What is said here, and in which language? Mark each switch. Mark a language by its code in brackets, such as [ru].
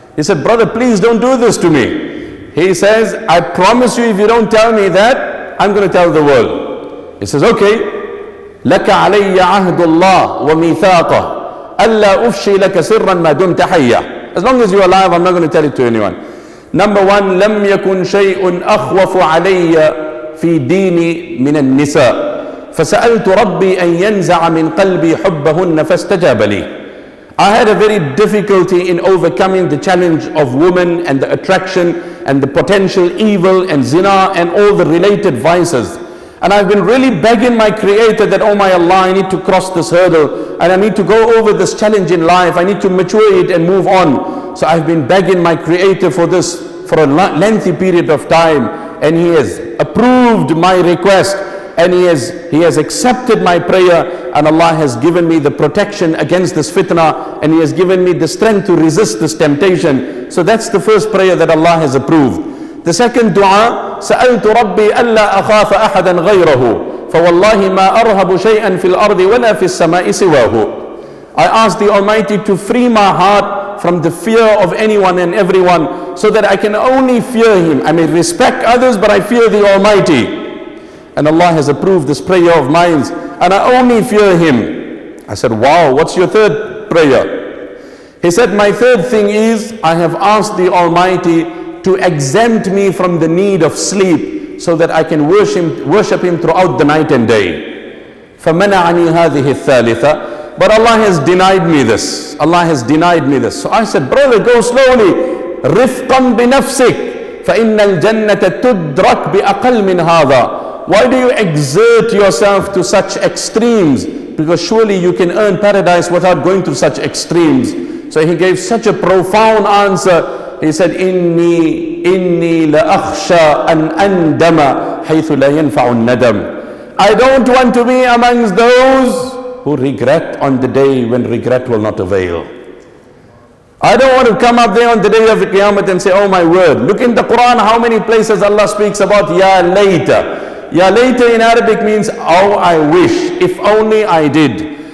[en] He said, brother, please don't do this to me. He says, I promise you, if you don't tell me that, I'm going to tell the world. He says, okay. [ar] لَكَ عَلَيَّ عَهْدُ اللَّهِ وَمِيثَاقَهُ أَلَّا أُفْشِي لَكَ سِرًّا مَا دُمْتَ حَيَّةً. [en] As long as you're alive, I'm not going to tell it to anyone. Number one, [ar] لَمْ يَكُنْ شَيْءٌ أَخْوَفُ عَلَيَّ فِي دِينِي مِنَ النِّسَاءِ فَسَأَلْتُ رَبِّي أَنْ يَنْزَعَ مِنْ قَلْبِي حُبَّهُنَّ فَاسْتَجَابَ لِي. [en] I had a very difficulty in overcoming the challenge of women and the attraction and the potential evil and zina and all the related vices. And I've been really begging my creator that, oh my Allah, I need to cross this hurdle and I need to go over this challenge in life. I need to mature it and move on. So I've been begging my creator for this for a lengthy period of time, and he has approved my request, and he has accepted my prayer, and Allah has given me the protection against this fitna, and he has given me the strength to resist this temptation. So that's the first prayer that Allah has approved. The second dua, [ar] سَأَلْتُ رَبِّي أَلَّا أَخَافَ أَحَدًا غَيْرَهُ فَوَاللَّهِ مَا أَرْهَبُ شَيْئًا فِي الْأَرْضِ وَلَا فِي السَّمَاءِ سِوَاهُ. [en] I ask the Almighty to free my heart from the fear of anyone and everyone, so that I can only fear Him. I may respect others, but I fear the Almighty. And Allah has approved this prayer of mine, and I only fear Him. I said, wow, what's your third prayer? He said, my third thing is, I have asked the Almighty to exempt me from the need of sleep so that I can worship him throughout the night and day. [ar] فَمَنَعَنِي هَذِهِ الثَّالِثَةِ. [en] But Allah has denied me this. Allah has denied me this. So I said, brother, go slowly. [ar] رِفْقًا بِنَفْسِكْ فَإِنَّ الْجَنَّةَ تُدْرَكْ بِأَقَلْ مِنْ هَذَا. [en] Why do you exert yourself to such extremes? Because surely you can earn paradise without going to such extremes. So he gave such a profound answer. He said, [ar] إِنِّي لَأَخْشَى أَنْ أَنْدَمَ حَيْثُ لَيَنْفَعُ النَّدَمُ. [en] I don't want to be amongst those who regret on the day when regret will not avail. I don't want to come up there on the day of the Qiyamah and say, oh my word. Look in the Quran how many places Allah speaks about Ya Layta. Ya Layta in Arabic means, oh I wish, if only I did.